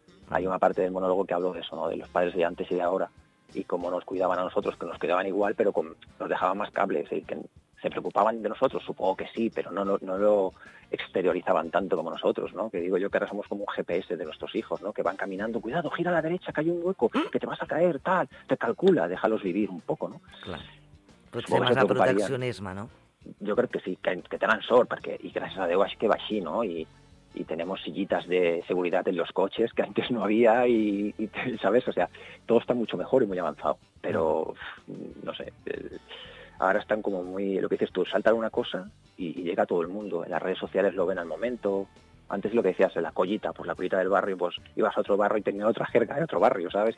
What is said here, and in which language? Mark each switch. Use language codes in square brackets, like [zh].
[es] Hay una parte del monólogo que hablo de eso, ¿no? De los padres de antes y de ahora. Y cómo nos cuidaban a nosotros, que nos cuidaban igual, pero nos dejaban más cables. Y que se preocupaban de nosotros, supongo que sí, pero no lo exteriorizaban tanto como nosotros, ¿no? Que digo yo que ahora somos como un GPS de nuestros hijos, ¿no? Que van caminando, cuidado, gira a la derecha, que hay un hueco, que te vas a caer, tal. Te calcula, déjalos vivir un poco, ¿no? [ca] Claro. Potser vas a proteccionisme, no? Jo crec que sí, que tenen sort, perquè, i gràcies a Déu, així que va així, no? I, [es] y tenemos sillitas de seguridad en los coches que antes no había y ¿sabes? O sea, todo está mucho mejor y muy avanzado, pero no sé, ahora están como muy, lo que dices tú, saltan una cosa y llega a todo el mundo, en las redes sociales lo ven al momento. Antes lo que decías, la collita, pues la collita del barrio, pues ibas a otro barrio y tenía otra jerga de otro barrio, ¿sabes?